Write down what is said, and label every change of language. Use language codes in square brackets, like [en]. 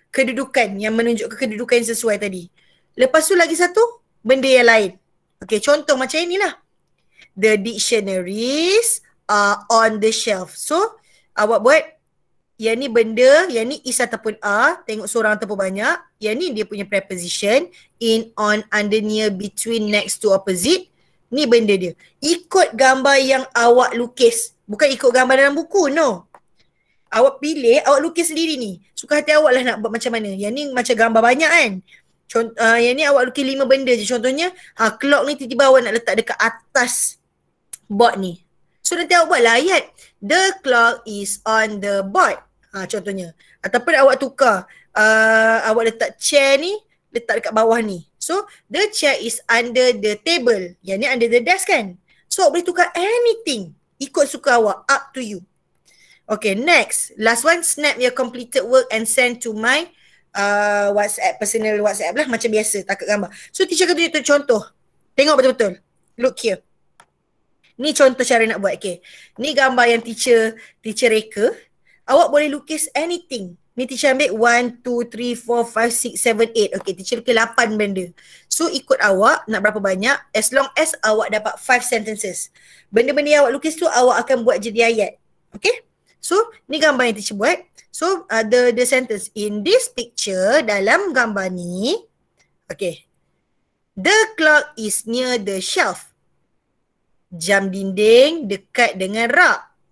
[ms] Kedudukan, yang menunjukkan kedudukan yang sesuai tadi. Lepas tu lagi satu, benda yang lain. Okay, contoh macam inilah. [en] The dictionaries are on the shelf. [ms] So, awak buat. Yang ni benda, yang ni is ataupun are. Tengok seorang ataupun banyak. Yang ni dia punya preposition. [en] In, on, under, near, between, next to, opposite. [ms] Ni benda dia. Ikut gambar yang awak lukis. Bukan ikut gambar dalam buku, no. Awak pilih, awak lukis sendiri ni. Suka hati awak lah nak buat macam mana. Yang ni macam gambar banyak kan. Yang ni awak lukis 5 benda je. Contohnya, clock ni tiba-tiba awak nak letak dekat atas board ni. So nanti awak buatlah ayat. [en] The clock is on the board. [ms] Ha, contohnya. Ataupun awak tukar. Awak letak chair ni, letak dekat bawah ni. [en] So the chair is under the table. [ms] Yang ni [en] under the desk kan? [ms] So awak boleh tukar [en] anything. [ms] Ikut suka awak. [en] Up to you. Okay, next. Last one. Snap your completed work and send to my WhatsApp. [ms] Personal WhatsApp lah. Macam biasa. Takut gambar. So teacher kata tu contoh. Tengok betul-betul. [en] Look here. [ms] Ni contoh cara nak buat, okay. Ni gambar yang teacher reka. Awak boleh lukis anything. Ni teacher ambil 1, 2, 3, 4, 5, 6, 7, 8. Okay, teacher lukis 8 benda. So ikut awak nak berapa banyak. [en] As long as [ms] awak dapat [en] 5 sentences. [ms] Benda-benda yang awak lukis tu awak akan buat jadi ayat. [en] Okay. So [ms] ni gambar yang teacher buat. [en] So the sentence. In this picture, [ms] dalam gambar ni, [en] okay. The clock is near the shelf. [ms] Jam dinding dekat dengan rak.